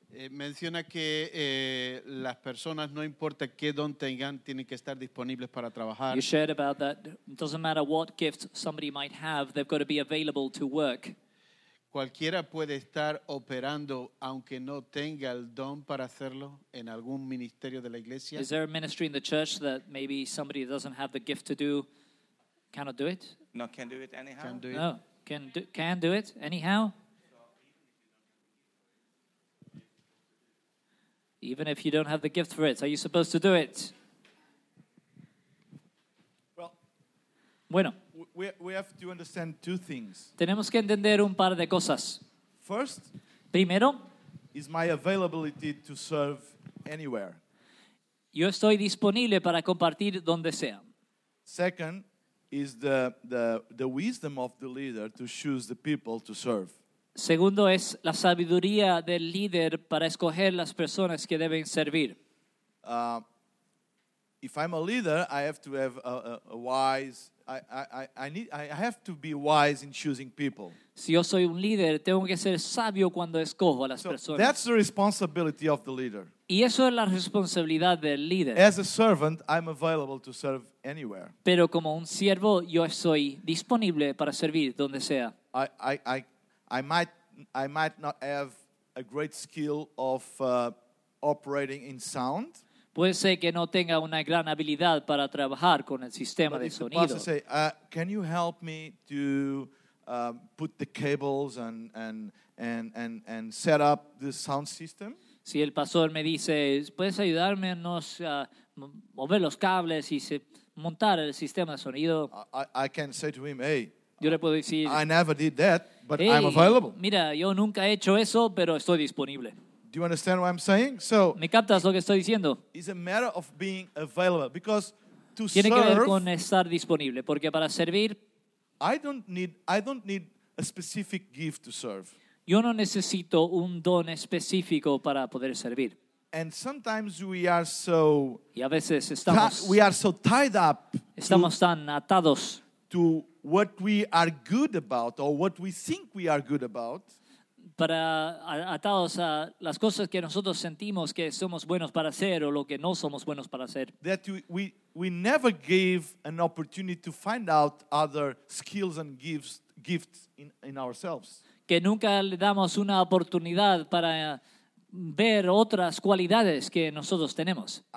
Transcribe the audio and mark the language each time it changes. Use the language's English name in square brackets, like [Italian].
[Spanish] Menciona que las personas, no importa qué don tengan, tienen que estar disponibles para trabajar. [English] You shared about that. It doesn't matter what gift somebody might have, they've got to be available to work. [Spanish] Cualquiera puede estar operando, aunque no tenga el don para hacerlo, en algún ministerio de la iglesia. [English] Is there a ministry in the church that maybe somebody doesn't have the gift to do, cannot do it? No, can do it anyhow. Can do it. No, can do it anyhow. Even if you don't have the gift for it, are you supposed to do it? Well, [Spanish] bueno. [English] We have to understand two things. [Spanish] Tenemos que entender un par de cosas. [English] First, [Spanish] primero, [English] is my availability to serve anywhere. [Spanish] Yo estoy disponible para compartir donde sea. [English] Second, is the wisdom of the leader to choose the people to serve. [Spanish] Segundo es la sabiduría del líder para escoger las personas que deben servir. [English] If I'm a leader, I have to have a wise. I have to be wise in choosing people. [Spanish] Si yo soy un líder, tengo que ser sabio cuando escojo a las [English] so [Spanish] personas. [English] That's the responsibility of the leader. [Spanish] Y eso es la responsabilidad del líder. [English] As a servant, I'm available to serve anywhere. [Spanish] Pero como un siervo, yo soy disponible para servir donde sea. [English] I might not have a great skill of operating in sound. [Spanish] Puede ser que no tenga una gran habilidad para trabajar con el sistema de sonido. [English] Can you help me to put the cables and set up the sound system. [Spanish] Si el pastor me dice, ¿puedes ayudarme a nos mover los cables y montar el sistema de sonido? [English] I can say to him, hey, [Spanish] yo le puedo decir, [English] I never did that, but hey, I'm available. [Spanish] Mira, yo nunca he hecho eso, pero estoy disponible. [English] Do you understand what I'm saying? So, [Spanish] ¿me captas lo que estoy diciendo? [English] It's a matter of being available, because to [Spanish] tiene [English] serve, [Spanish] que ver con estar disponible, porque para servir, [English] I don't need a specific gift to serve. [Spanish] Yo no necesito un don específico para poder servir. [English] And sometimes we are so, [Spanish] y a veces estamos, [English] we are so tied up, [Spanish] estamos tan atados, [English] to what we are good about or what we think we are good about, [Spanish] para atados a las cosas que nosotros sentimos que somos buenos para hacer o lo que no somos buenos para hacer, [English] that we never gave an opportunity to find out other skills and gifts in ourselves, [Spanish] que nunca le damos una oportunidad para ver otras cualidades que nosotros tenemos.